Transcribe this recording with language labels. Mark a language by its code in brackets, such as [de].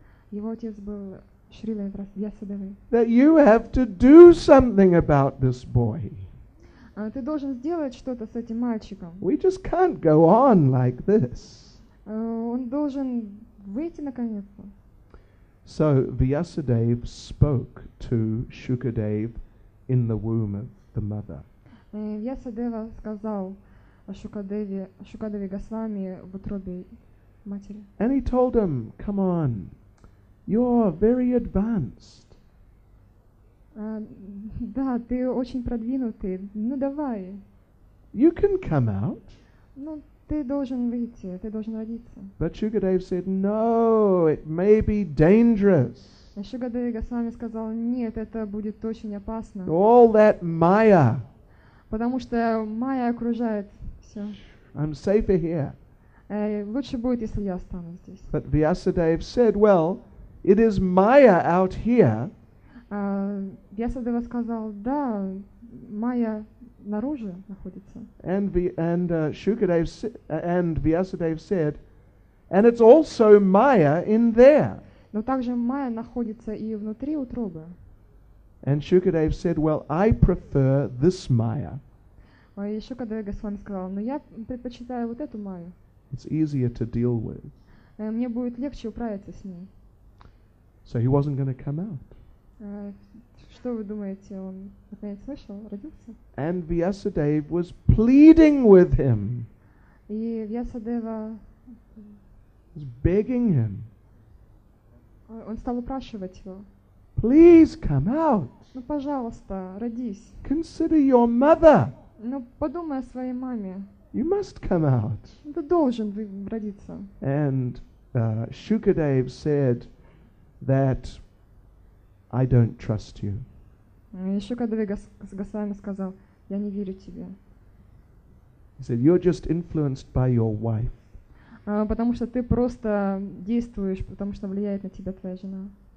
[ru] Его отец был Шрила Вьясадева. [en] That you have to do something about this boy. [ru] Ты должен сделать что-то с этим мальчиком. [en] We just can't go on like this. [ru] Он должен выйти наконец-то. [en] So Vyasadeva spoke to Shukadev in the womb of the mother. [ru] Vyasadeva сказал Шукадеве Госвами в утробе матери. [en] And he told him, "Come on, you're very advanced." [ru] Да, ты очень продвинутый. Ну давай. [en] You can come out. [ru] Ну, ты должен выйти, ты должен родиться. [en] But Shukadev said, no, it may be dangerous. [ru] Шукадев Госвами сказал, нет, это будет очень опасно. [en] All that Maya. [ru] Потому что Maya окружает все. [en] I'm safer here. [ru] Лучше будет, если я останусь здесь. [en] But Vyasadev said, well, it is Maya out here. [ru] Vyasadeva сказал, да, Maya наружу находится. [en] And Vyasadeva said, and it's also Maya in there. [ru] Но также Maya находится и внутри утробы. [en] And Shukadev said, well, I prefer this Maya. [ru] И Шукадева Госвами сказал, но я предпочитаю вот эту Maya. [en] It's easier to deal with. [ru] Мне будет легче управиться с ней. [en] So he wasn't going to come out. [ru] Что вы думаете, он наконец вышел, родился? [en] And Vyasadev was pleading with him. [ru] И Vyasadeva [en] was begging him. [ru] Он стал упрашивать его. [en] Please come out. [ru] Ну, пожалуйста, родись. [en] Consider your mother. [ru] Ну, подумай о своей маме. [en] You must come out. [ru] Ты должен родиться. [en] And Shukadev said that I don't trust you. [ru] Шукадев Госвами сказал, я не верю тебе. [en] He said, you're just influenced by your wife. [ru] Потому что ты просто действуешь, потому что влияет на тебя твоя жена.